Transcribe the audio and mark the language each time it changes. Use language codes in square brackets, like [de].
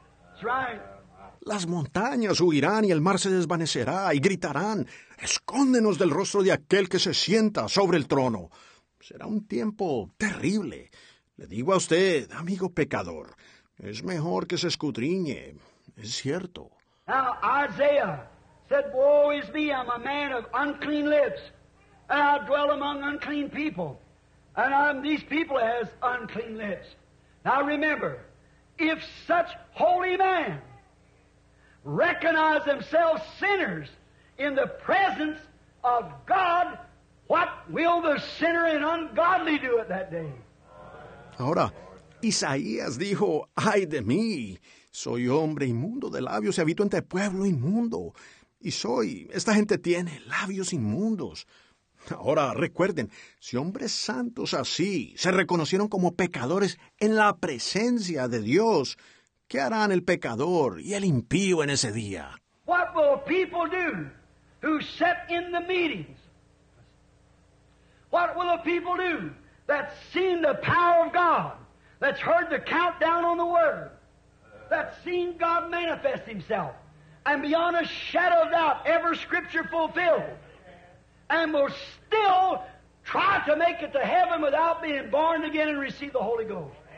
[en] That's right. [es] Las montañas huirán y el mar se desvanecerá y gritarán, "Escóndenos del rostro de aquel que se sienta sobre el trono." Será un tiempo terrible. Le digo a usted, amigo pecador, es mejor que se escudriñe. Es cierto. [en] Now Isaiah said, "Woe is me, I'm a man of unclean lips, and I dwell among unclean people, and I'm these people has unclean lips." Now remember, if such holy man recognize themselves sinners in the presence of God, what will the sinner and ungodly do at that day? [es] Ahora, Isaías dijo, "Ay de mí, soy hombre inmundo de labios y habito entre pueblo inmundo, y soy, esta gente tiene labios inmundos." Ahora, recuerden, si hombres santos así se reconocieron como pecadores en la presencia de Dios, ¿qué harán el pecador y el impío en ese día? [en] What will people do who sit in the meetings? What will the people do that's seen the power of God, that's heard the countdown on the word, that's seen God manifest himself, and beyond a shadow of doubt, ever scripture fulfilled, and will still try to make it to heaven without being born again and receive the Holy Ghost?